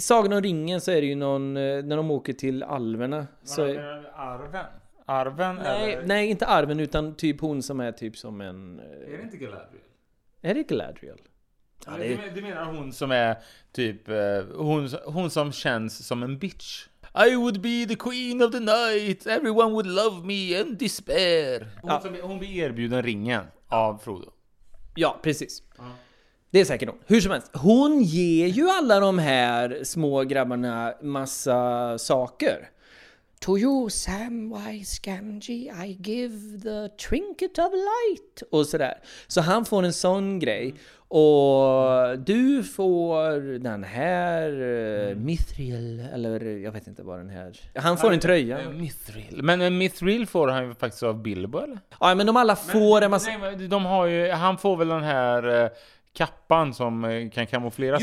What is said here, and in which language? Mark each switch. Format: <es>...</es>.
<sv>Sagan om ringen så är det ju någon, när de åker till alverna. Så är arven? Arven? Nej, eller? Nej, inte arven utan typ hon som är typ som en... Är det inte Galadriel? Är det Galadriel? Ja, det... Du menar hon som är typ, hon som känns som en bitch.</sv> <en>I would be the queen of the night. Everyone would love me and despair.</en> <sv>Ja. Hon blir erbjuden ringen av Frodo. Ja, precis. Uh-huh. Det är säkert hon. Hur som helst. Hon ger ju alla de här små grabbarna massa saker.</sv> <en>To you, Samwise Gamgee, I give the trinket of light.</en> <sv>Och sådär. Så han får en sån grej. Och du får den här mithril, eller jag vet inte vad den här... Han får en tröja. Mithril. Men en mithril får han faktiskt av Bilbo, eller? Ja, men de alla får en massa... Nej, men de har ju, han får väl den här kappan som kan kamoufleras</sv>